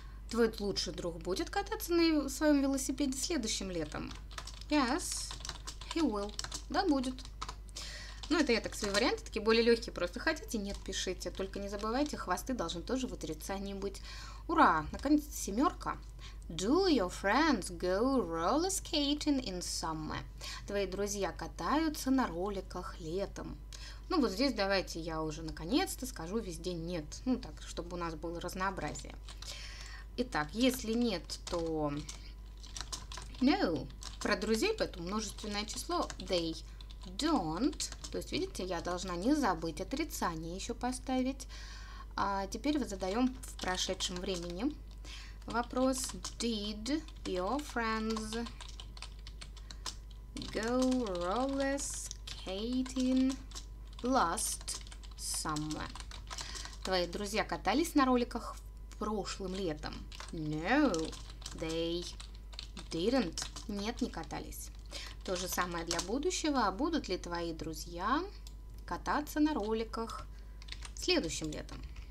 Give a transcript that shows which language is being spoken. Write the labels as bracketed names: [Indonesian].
[Russian] Твой лучший друг будет кататься на своем велосипеде следующим летом? [English] Yes, he will. [Russian] Да, будет. Ну, это я так свои варианты, такие более легкие. Просто хотите, нет, пишите. Только не забывайте, хвосты должны тоже в отрицании быть. Ура, наконец-то семерка. [English] Do your friends go roller skating in summer? [Russian] Твои друзья катаются на роликах летом. Ну, вот здесь давайте я уже наконец-то скажу везде нет. Ну, так, чтобы у нас было разнообразие. Итак, если нет, то no. Про друзей, поэтому множественное число [English] they don't. [Russian] То есть, видите, я должна не забыть отрицание еще поставить. А теперь задаем в прошедшем времени вопрос. [English] Did your friends go roller skating last summer? [Russian] Твои друзья катались на роликах прошлым летом? [English] No, they didn't. [Russian] Нет, не катались. То же самое для будущего. А будут ли твои друзья кататься на роликах следующим летом?